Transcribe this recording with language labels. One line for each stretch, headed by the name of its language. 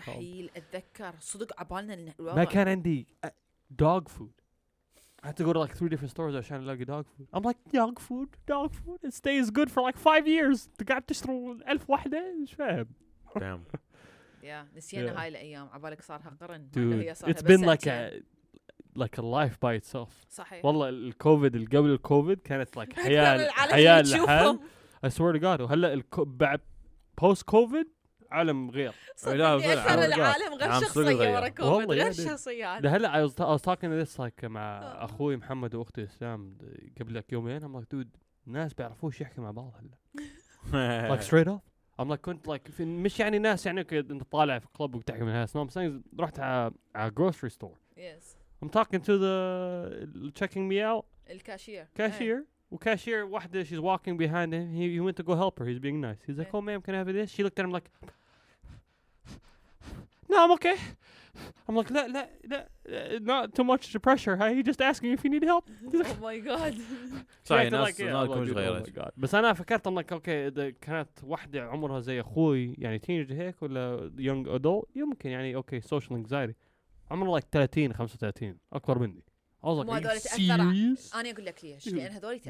Arabic: مستحيل اتذكر صدق عبالنا ما كان عندي دوغ فود
English: I had to go to like three different stores to find like dog food. I'm like dog food. It stays good for like 5 years. The guy just threw 1,000 ones. Damn. Yeah,
Arabic: نسينا هاي الأيام عبالك صارها قرن.
English: Dude, it's been like a life by itself.
Arabic: صحيح. والله الكوفيد قبل الكوفيد كانت
English: like
Arabic: حيال حيال.
English: I swear to God.
Arabic: وهلا بعد
English: post COVID.
Arabic: عالم غير صدقني أكثر العالم غير شخصية ورا كوفيد غير شخصية ده هلا
English: I was talking to this like
Arabic: مع أخوي محمد وأختي إسلام قبل لك يومين
English: I'm like dude
Arabic: ناس بيعرفوش يحكي مع بعض هلا
English: like straight up I'm like
Arabic: كنت like مش يعني ناس يعني كنت طالع في كلوب وبتحكي من هاس
English: no I'm saying
Arabic: رحت على
English: grocery store yes I'm talking to the checking me out
Arabic: الكاشير
English: وكاشير واحدة she's walking behind him he went to go help her he's being nice he's like oh ma'am can I have this she looked at him like no I'm okay I'm like
Arabic: لا
English: not too much pressure he just asking if you need help he's like oh my god sorry not
Arabic: بس أنا فكرت
English: I'm like okay
Arabic: كانت واحدة عمرها زي أخوي يعني
English: teenager
Arabic: هيك ولا
English: young adult
Arabic: يمكن يعني
English: okay social anxiety
Arabic: عمره
English: like 30 35
Arabic: أكبر مني مو هذول تأثر أنا أقول لك ليش لأن هذول تأثر